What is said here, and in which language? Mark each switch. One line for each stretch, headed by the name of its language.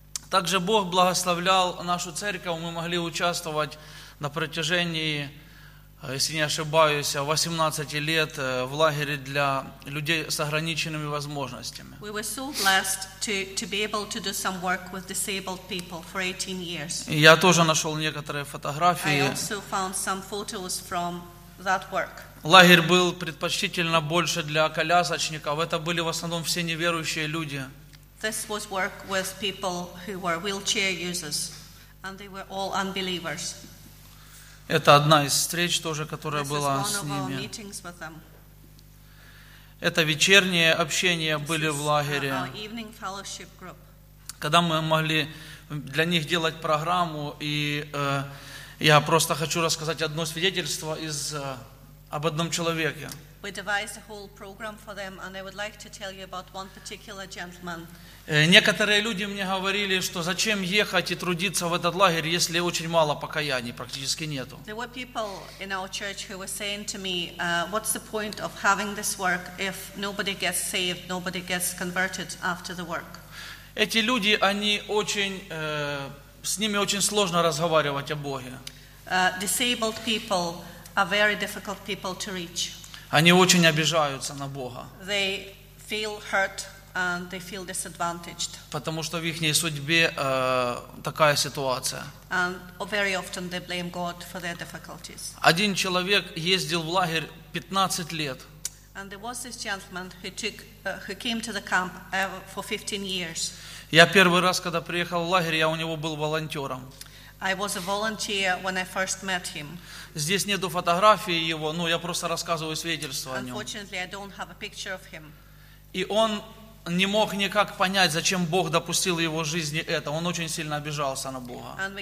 Russian: Также Бог благословлял нашу церковь, мы могли участвовать на протяжении, если не ошибаюсь, 18 лет в лагере для людей с ограниченными возможностями.
English: We were so blessed to be able to do some work with disabled people for 18 years.
Russian: Я тоже нашел некоторые фотографии.
English: I also found some photos from that work.
Russian: Лагерь был предпочтительно больше для колясочников. Это были в основном все неверующие люди.
English: This was work with people who were wheelchair users, and they were all unbelievers.
Russian: Это одна из встреч тоже, которая
English: This
Russian: была с ними.
English: This was one of our meetings with them.
Russian: Это вечерние общения
English: This
Russian: были
English: is
Russian: в лагере.
English: Our evening fellowship group.
Russian: Когда мы могли для них делать программу и я просто хочу рассказать одно свидетельство об одном человеке.
English: We devised a whole program for them, and I would like to tell you about one particular gentleman.
Russian: Некоторые люди мне говорили, что зачем ехать и трудиться в этот лагерь, если очень мало покаяний, практически нету.
English: There were people in our church who were saying to me, what's the point of having this work if nobody gets saved, nobody gets converted after the work?
Russian: Эти люди, они очень... С ними очень сложно разговаривать о Боге.
English: Disabled people are very difficult people to reach.
Russian: Они очень обижаются на Бога.
English: They feel hurt and they feel disadvantaged.
Russian: Потому что в их судьбе такая ситуация.
English: And very often they blame God for their difficulties.
Russian: Один человек ездил в лагерь 15 лет.
English: And there was this gentleman who came to the camp for 15 years.
Russian: Я первый раз, когда приехал в лагерь, я у него был волонтером.
English: I was a volunteer when I first met him.
Russian: Здесь нету фотографии его, но я просто рассказываю свидетельство о нем.
English: Unfortunately, I don't have a picture of him.
Russian: И он не мог никак понять, зачем Бог допустил в его жизни это. Он очень сильно обижался на Бога.